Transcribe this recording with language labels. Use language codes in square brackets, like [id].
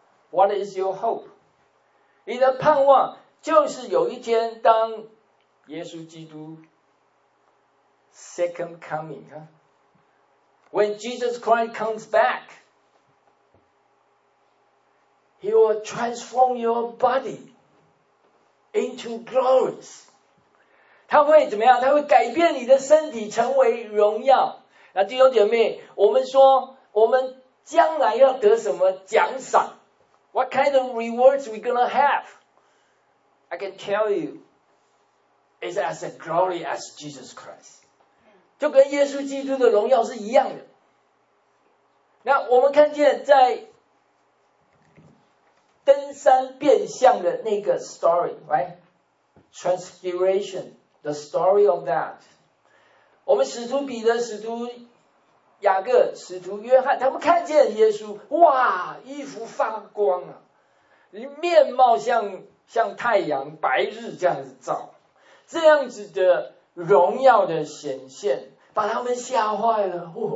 [en] What is your hope? [zh] 你的盼望就是有一天当耶稣基督 [en] second coming, when Jesus Christ comes back,He will transform your body into glories. [zh] 他会怎么样？他会改变你的身体，成为荣耀。那弟兄姐妹，我们说我们将来要得什么奖赏？ [en] What kind of rewards we gonna have? I can tell you, it's as glory as Jesus Christ. [zh] 就跟耶稣基督的荣耀是一样的。那我们看见在登山变相的那个 [en] story, right? Transfiguration, the story of that. [zh] 我们使徒彼得、使徒雅各、使徒约翰，他们看见耶稣，哇，衣服发光啊，面貌像太阳白日这样子照，这样子的荣耀的显现，把他们吓坏了。